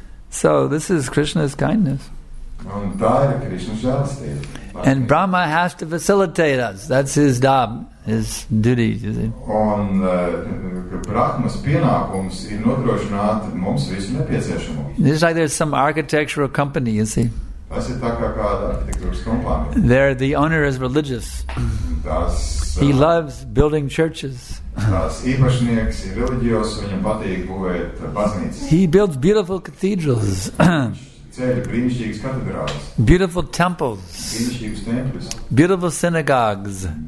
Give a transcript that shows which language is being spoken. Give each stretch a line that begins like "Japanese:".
English: So this is Krishna's kindness. And Brahma has to facilitate us. That's his job, his duty, you see.
Latvian: On Brahma's pienākums ir nodrošināt mums visu nepieciešamo.
English: It's like there's some architectural company, you see.
Latvian: Tas ir tā kā kāda arhitektūras kompānija.
English: There, the owner is religious. He loves building churches.
Latvian: Tas īpašnieks ir religios, viņam patīk būvēt baznīcas.
English: He builds beautiful cathedrals. Beautiful temples. Beautiful synagogues.